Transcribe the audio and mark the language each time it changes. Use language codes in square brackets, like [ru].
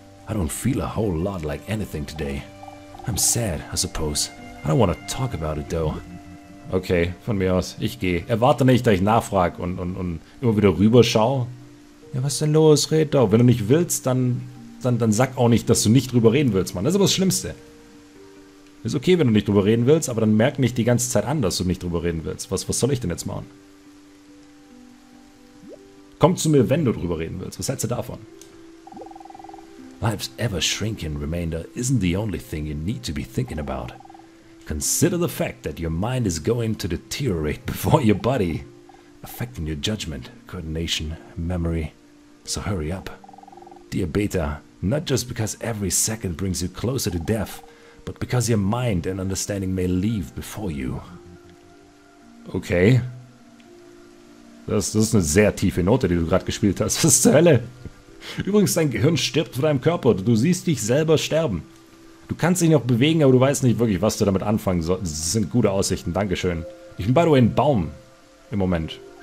[en] I don't feel a whole lot like anything today. I'm sad, I suppose. I don't want to talk about it, though. [de] Okay, von mir aus. Ich gehe. Erwarte nicht, dass ich nachfrage und immer wieder rüberschaue. Ja, was denn los? Red doch. Wenn du nicht willst, dann sag auch nicht, dass du nicht drüber reden willst, Mann. Das ist aber das Schlimmste. Ist okay, wenn du nicht drüber reden willst, aber dann merk nicht die ganze Zeit an, dass du nicht drüber reden willst. Was soll ich denn jetzt machen? Komm zu mir, wenn du drüber reden willst. Was hältst du davon? [en] Life's ever-shrinking remainder isn't the only thing you need to be thinking about. Consider the fact that your mind is going to deteriorate before your body, affecting your judgment, coordination, memory. So hurry up. Dear Beta, not just because every second brings you closer to death, but because your mind and understanding may leave before you. [de] Okay. Das ist eine sehr tiefe Note, die du gerade gespielt hast. Was zur Hölle? Übrigens, dein Gehirn stirbt vor deinem Körper. Du siehst dich selber sterben. Du kannst dich noch bewegen, aber du weißt nicht wirklich, was du damit anfangen sollst. Das sind gute Aussichten. Dankeschön. Ich bin, [en] by the way, [de] ein Baum. Im Moment.